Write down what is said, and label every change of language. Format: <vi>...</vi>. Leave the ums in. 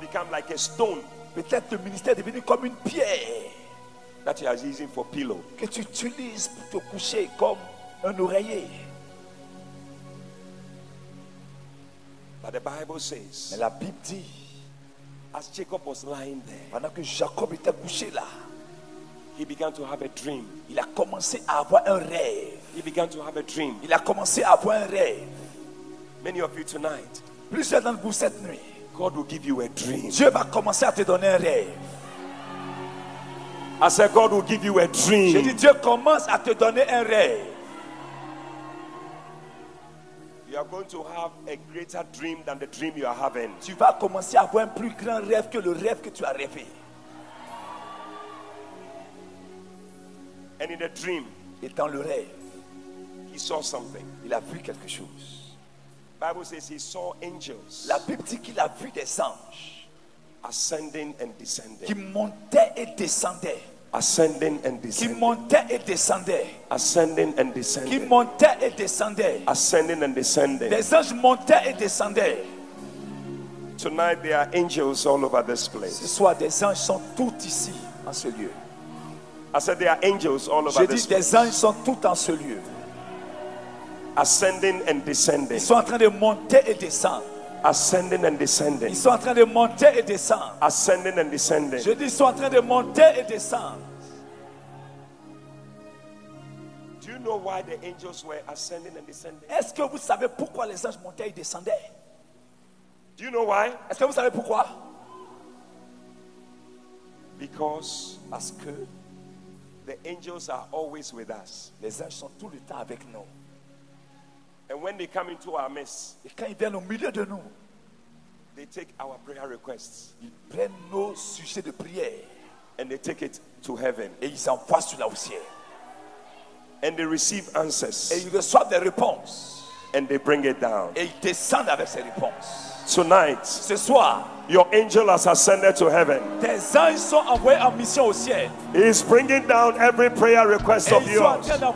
<en>Like</en> <fr>Peut-être le ministère est devenu comme une pierre.</fr> <en>That he has for pillow.</en> <fr>Que tu utilises pour te coucher comme un oreiller.</fr> <en>But the Bible says,</en> <fr>Mais la Bible dit,</fr> <en>as Jacob was lying there,</en> <fr>pendant que Jacob était couché là,</fr> <en>he began to have a dream.</en> <fr>il a commencé à avoir un rêve.</fr> <en>He began to have a dream.</en> <fr>Il a commencé à avoir un rêve.</fr> <en>Many of you tonight,</en> <fr>Plusieurs d'entre vous cette nuit.</fr> <en>God will give you a dream.</en> <fr>Dieu va commencer à te donner un rêve.</fr> <en>I said, God will give you a dream.</en> <fr>J'ai Dieu commence à te donner un rêve.</fr> <en>You are going to have a greater dream than the dream you are having.</en> <fr>Tu vas commencer à avoir un plus grand rêve que le rêve que tu as rêvé.</fr> <en>And in the dream,</en> <fr>et dans le rêve,</fr> <en>he saw something.</en> <fr>Il a vu quelque chose.</fr> <en>Bible says he saw angels</en> <fr>La Bible dit qu'il a vu des anges</fr> <en>ascending and descending.</en> <fr>qui montaient et descendaient.</fr> <en>Ascending and descending.</en> <fr>Qui montaient et descendaient,</fr> <en>Ascending and descending.</en> <fr>Qui montaient et descendaient, Ascending and descending. Les anges montaient et descendaient.</fr> <en>Tonight there are angels all over this place.</en> <fr>Ce soir, des anges sont tout ici en ce lieu.</fr> <en>I said there are angels all over this place.</en> <fr>Je dis, des anges sont tout en ce lieu.</fr> <en>Ascending and descending.</en> <fr>Ils sont en train de monter et descendre.</fr> <en>Ascending and descending.</en> <fr>Ils sont en train de monter et descendre.</fr> <en>Ascending and descending.</en> <fr>Je dis, ils sont en train de monter et descendre.</fr> <en>Do you know why the angels were ascending and descending?</en> <fr>Est-ce que vous savez pourquoi les anges montaient et descendaient?</fr> <en>Do you know why?</en> <fr>Est-ce que vous savez pourquoi?</fr> <en>Because</en> <fr>parce que</fr> <en>the angels are always with us.</en> <fr>Les anges sont tout le temps avec nous.</fr> <en>And when they come into our mess,</en> <fr>quand ils viennent au milieu de nous,</fr> <en>they take our prayer requests.</en> <fr>Ils prennent nos sujets de prière.</fr> <en>And they take it to heaven.</en> <fr>ils envoient cela au ciel.</fr> <en>And they receive answers.</en> <fr>Et ils reçoivent des réponses.</fr> <en>And they bring it down.</en> <fr>Et ils descendent avec ces réponses.</fr> <en>Tonight,</en> <fr>ce soir,</fr> <en>your angel has ascended to heaven.</en> <fr>Tes anges sont envoyés en mission au ciel.</fr> <en>He is bringing down every prayer request and of yours.</en>